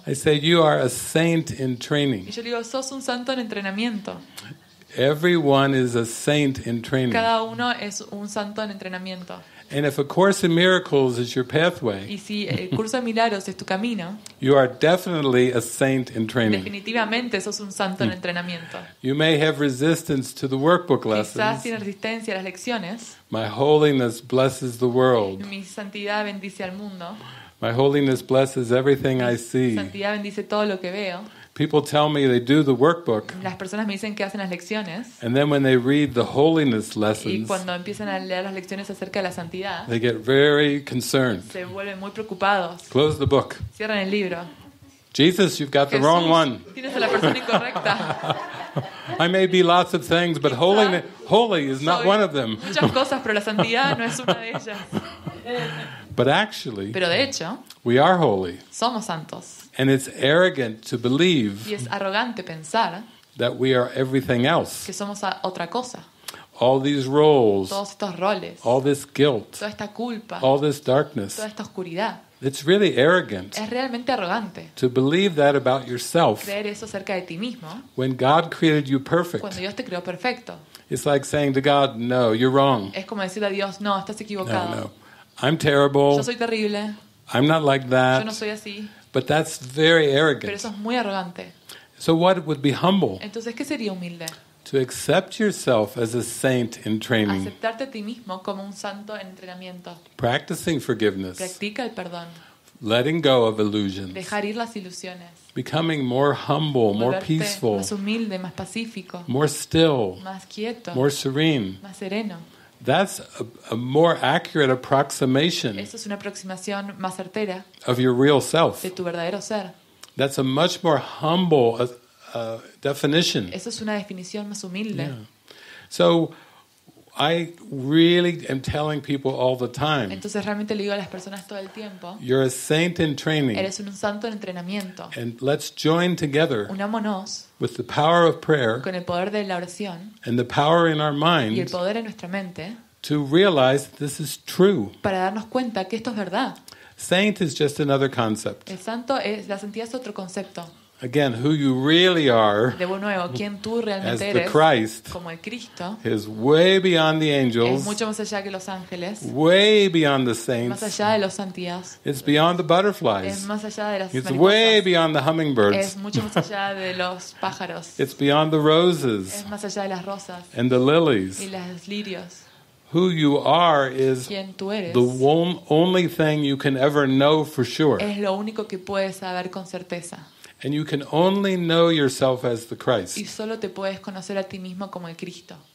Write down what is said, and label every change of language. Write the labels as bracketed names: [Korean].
[English] I said, "You are a saint in training." [Spanish] Yo le digo, "Sos un santo en entrenamiento." [English] Everyone is a saint in training. [Spanish] Cada uno es un santo en entrenamiento. [English] And if a course in miracles is your pathway, [Spanish] y si el curso de milagros es tu camino, [English] you are definitely a saint in training. [Spanish] Definitivamente sos un santo en entrenamiento. [English] You may have resistance to the workbook lessons. [Spanish] Quizás tienes resistencia a las lecciones. [English] My holiness blesses the world. [Spanish] Mi santidad bendice al mundo. [English] My holiness blesses everything I see. [Spanish] Mi santidad bendice todo lo que veo. [English] People tell me they do the workbook. [Spanish] Las personas me dicen que hacen las lecciones. [English] And then when they read the holiness lessons, [Spanish] y cuando empiezan a leer las lecciones acerca de la santidad, [English] they get very concerned. [Spanish] Se vuelven muy preocupados. [English] Close the book. [Spanish] Cierran el libro. [English] "Jesus, you've got [Spanish] Jesús, [English] the wrong one." [Spanish] Tienes a la persona incorrecta. [English] "I may be lots of things, but holy is not one of them." [Spanish] Muchas cosas, pero la santidad no es una de ellas. [English] But actually, [Spanish] pero de hecho, [English] we are holy. [Spanish] Somos santos. [English] And it's arrogant to believe, [Spanish] y es arrogante pensar, [English] that we are everything else. [Spanish] Que somos otra cosa. [English] All these roles. [Spanish] Todos estos roles. [English] All this guilt. [Spanish] Toda esta culpa. [English] All this darkness. [Spanish] Toda esta oscuridad. [English] It's really arrogant. [Spanish] Es realmente arrogante. [English] To believe that about yourself. [Spanish] Creer eso acerca de ti mismo. [English] When God created you perfect. [Spanish] Cuando Dios te creó perfecto. [English] It's like saying to God, "No, you're wrong." [Spanish] Es como decirle a Dios, "No, estás equivocado." [English] No, no. "I'm terrible. [Spanish] Yo soy terrible. [English] I'm not like that." [Spanish] Yo no soy así. [English] But that's very arrogant. [Spanish] Pero eso es muy arrogante. [English] So what would be humble? [Spanish] Entonces, ¿qué sería humilde? [English] To accept yourself as a saint in training. [Spanish] Aceptarte a ti mismo como un santo en entrenamiento. [English] Practicing forgiveness. [Spanish] Practica el perdón. [English] Letting go of illusions. [Spanish] Dejar ir las ilusiones. [English] Becoming more humble, more peaceful. [Spanish] Más humilde, más pacífico. [English] More still. [Spanish] Más quieto. [English] More serene. [Spanish] Más sereno. [English] That's a more accurate approximation. [Spanish] Eso es una aproximación más certera. [English] Of your real self. [Spanish] De tu verdadero ser. [English] That's a much more humble definition. [Spanish] Eso es una definición más humilde. [English] Yeah. So I really am telling people all the time. [Spanish] Entonces realmente le digo a las personas todo el tiempo. [English] You're a saint in training. [Spanish] Eres un santo en entrenamiento. [English] And let's join together. [Spanish] Unámonos. [English] With the power of prayer. [Spanish] Con el poder de la oración. [English] And the power in our mind. [Spanish] Y el poder en nuestra mente. [English] To realize this is true. [Spanish] Para darnos cuenta que esto es verdad. [English] Saint is just another concept. [Spanish] El santo es la santidad es otro concepto. [English] Again, who you really are, [Spanish] de nuevo, quien tú realmente [English] as [Spanish] eres, [English] the Christ, [Spanish] como el Cristo, [English] is way beyond the angels, [Spanish] es mucho más allá que los ángeles, [English] way beyond the saints, [Spanish] más allá de los santías, [English] it's beyond the butterflies, [Spanish] es más allá de las [English] it's way beyond the hummingbirds, [Spanish] es mucho más allá de los pájaros, [English] it's beyond the roses, [Spanish] es más allá de las rosas, [English] and the lilies, [Spanish] y las lirios. [English] Who you are is [Spanish] quien tú eres, [English] the one, only thing you can ever know for sure. [Spanish] Es lo único que puedes saber con certeza. [English] And you can only know yourself as the Christ. [Spanish] Y solo te puedes conocer a ti mismo como el Cristo.